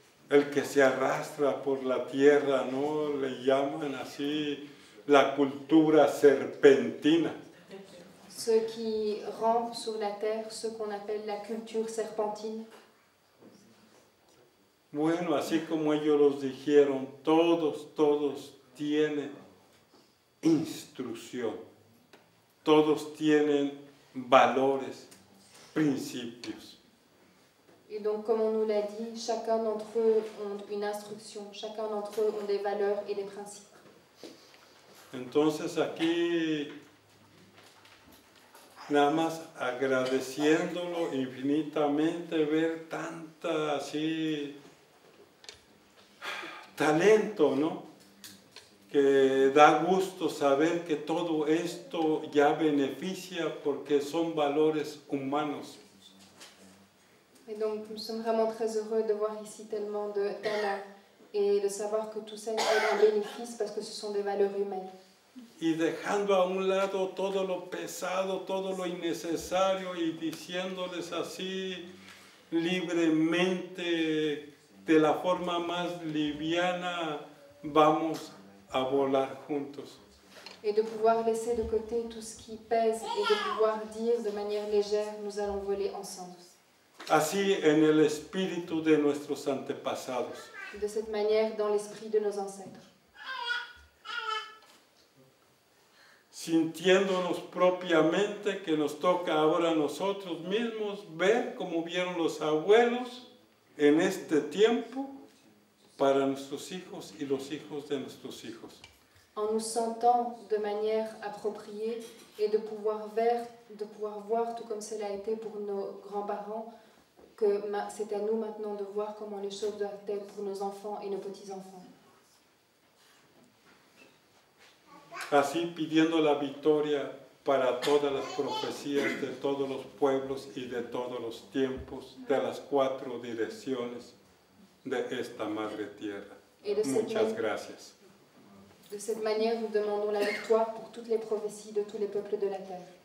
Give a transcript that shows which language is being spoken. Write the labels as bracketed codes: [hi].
[es] El que se arrastra por la tierra, ¿no? Le llaman así la cultura serpentina. [fr] Ceux qui rampent sur la terre, ce qu'on appelle la culture serpentine. [es] Bueno, así como ellos los dijeron, todos tienen instrucción. Todos tienen valores, principios. [fr] Et donc, comme on nous l'a dit, chacun d'entre eux ont une instruction, chacun d'entre eux ont des valeurs et des principes. [es] Entonces aquí, nada más agradeciéndolo infinitamente, ver tanta así talento, ¿no? Que da gusto saber que todo esto ya beneficia porque son valores humanos. [fr] Et donc, nous sommes vraiment très heureux de voir ici tellement de talents et de savoir que tout ça est un bénéfice parce que ce sont des valeurs humaines. [es] Y dejando a un lado todo lo pesado, todo lo innecesario y diciéndoles así libremente, de la forma más liviana, vamos a volar juntos. [fr] Et de pouvoir laisser de côté tout ce qui pèse et de pouvoir dire de manière légère, nous allons voler ensemble. [es] Así en el espíritu de nuestros antepasados. [fr] De cette manière, dans l'esprit de nos ancêtres. [es] Sintiéndonos propiamente que nos toca ahora nosotros mismos ver cómo vieron los abuelos en este tiempo para nuestros hijos y los hijos de nuestros hijos. [fr] En nous sentant de manière appropriée et de pouvoir voir tout comme cela a été pour nos grands-parents. Que c'est à nous maintenant de voir comment les choses doivent être pour nos enfants et nos petits-enfants. [es] Así pidiendo la victoria para todas las profecías de todos los pueblos y de todos los tiempos de las cuatro direcciones de esta madre tierra. Muchas gracias. [fr] De cette manière, nous demandons la victoire pour toutes les prophéties de tous les peuples de la terre.